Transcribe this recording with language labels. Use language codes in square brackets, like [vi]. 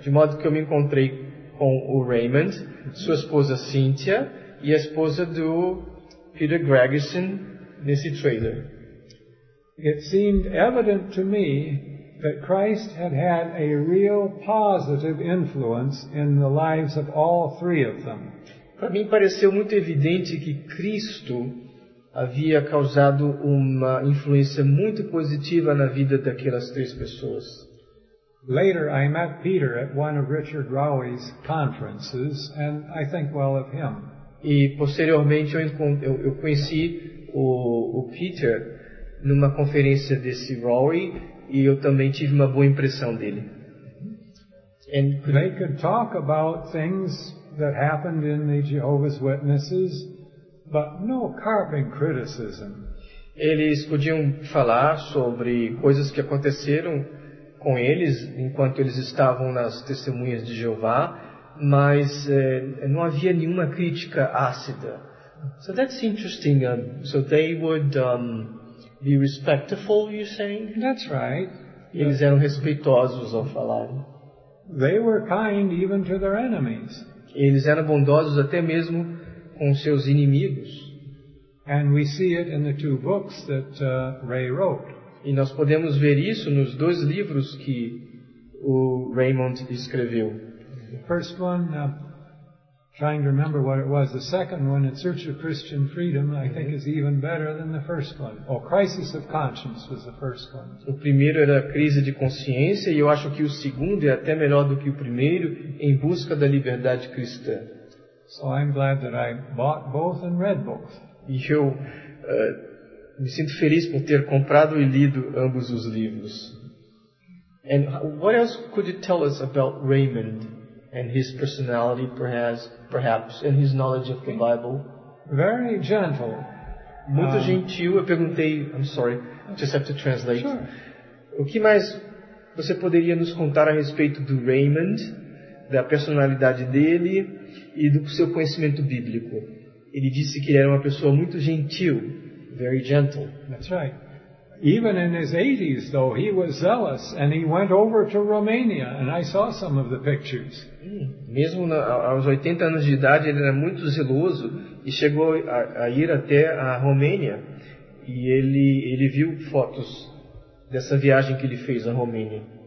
[pt] De modo que eu me encontrei com o Raymond, sua esposa Cynthia e a esposa do Peter Gregerson nesse trailer. [en] It seemed evident to me that Christ had had a real positive influence in the lives of all three of them. [pt] Para mim pareceu muito evidente que Cristo havia causado uma influência muito positiva na vida daquelas três pessoas. [en] Later, I met Peter at one of Richard Rowe's conferences, and I think well of him. [pt] E posteriormente eu conheci o Peter numa conferência desse Rowe, e eu também tive uma boa impressão dele. [en] And they could talk about things that happened in the Jehovah's Witnesses, but no carping criticism. [pt] Eles podiam falar sobre coisas que aconteceram com eles enquanto eles estavam nas testemunhas de Jeová, mas não havia nenhuma crítica ácida. [en] So that's interesting. So they would be respectful, you're saying? That's right. [pt] Eles eram respeitosos ao falar. [en] They were kind even to their enemies. [pt] Eles eram bondosos até mesmo com seus inimigos. [en] And we see it in the two books that Ray wrote. [pt] E nós podemos ver isso nos dois livros que o Raymond escreveu. [en] The first one, trying to remember what it was. The second one, In Search of Christian Freedom, I think is even better than the first one. Oh, Crisis of Conscience was the first one. [pt] O primeiro era Crise de Consciência, e eu acho que o segundo é até melhor do que o primeiro, Em Busca da Liberdade Cristã. [en] So I'm glad that I bought both and read both. [pt] E eu me sinto feliz por ter comprado e lido ambos os livros. [en] And what else could you tell us about Raymond and his personality, perhaps, and his knowledge of the Bible? Very gentle. [pt] Muito gentil. Eu perguntei, [en] I'm sorry, just have to translate. Sure. [pt] O que mais você poderia nos contar a respeito do Raymond, da personalidade dele e do seu conhecimento bíblico? Ele disse que ele era uma pessoa muito gentil. [en] Very gentle. That's right. Even in his 80s, though, he was zealous, and he went over to Romania, and I saw some of the pictures. [pt] Mesmo aos 80 anos de idade, ele era muito zeloso e chegou a ir até a Romênia, e ele viu fotos dessa viagem que ele fez à Romênia.